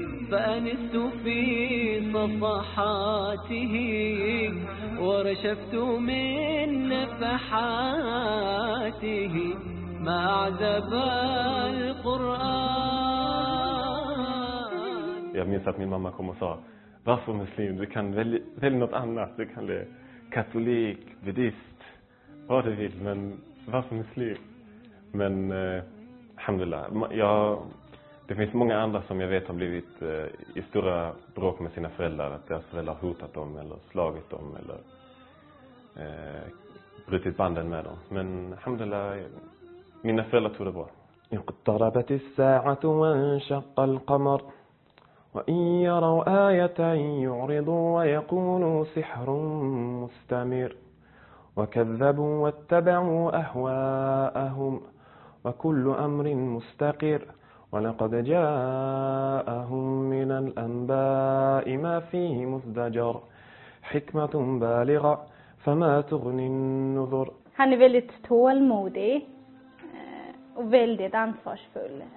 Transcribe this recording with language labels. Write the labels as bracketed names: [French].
[Arabic] فأنست في صفحاته ورشفت من نفحاته ما عذب القرآن. [Swedish] Jag minns att min mamma kom och sa: varför muslim? Du kan välja något annat. Du kan bli katolik, buddhist, vad du vill, men varför muslim? Men alhamdulillah, det finns många andra som jag vet har blivit i stora bråk med sina föräldrar, att deras föräldrar har hotat dem eller slagit dem eller brutit banden med dem. Men alhamdulillah, mina föräldrar tog det bra. [Arabic] اقتربت الساعة وانشق القمر وإن يروا آية يعرضوا ويقولوا سحر مستمر وكذبوا واتبعوا أهواءهم وكل أمر مستقر ولقد جاءهم من الأنباء ما فيه مزدجر حكمة بالغة فما تغني النذر. [Swedish] Han är väldigt tålmodig och väldigt ansvarsfull.